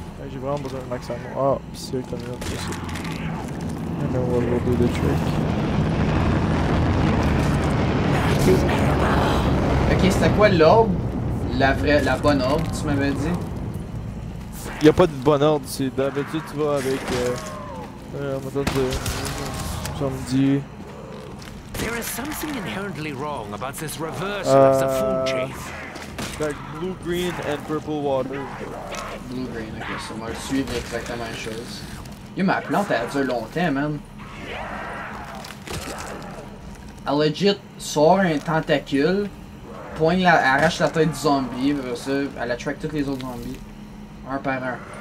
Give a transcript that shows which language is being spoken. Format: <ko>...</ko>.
<fr>J'ai vraiment besoin de max ammo. Ah, pis c'est comme ça, c'est ça.</fr> <en>And then we'll do the trick.</en> <fr>Ok, c'était quoi l'orbe? La vraie, la bonne orbe, tu m'avais dit? Y'a pas de bonne orbe, c'est d'habitude tu vas avec. Ça me dit.</fr> <en>There is something inherently wrong about this reversal of the food chain. Like blue, green, and purple water.</en> <fr>Blue green, ok, ça m'a suivi exactement la chose. Yo, ma plante elle a duré longtemps, man. Elle legit sort un tentacule, poigne la, arrache la tête du zombie, après ça, elle attracte tous les autres zombies. Un par un.</fr>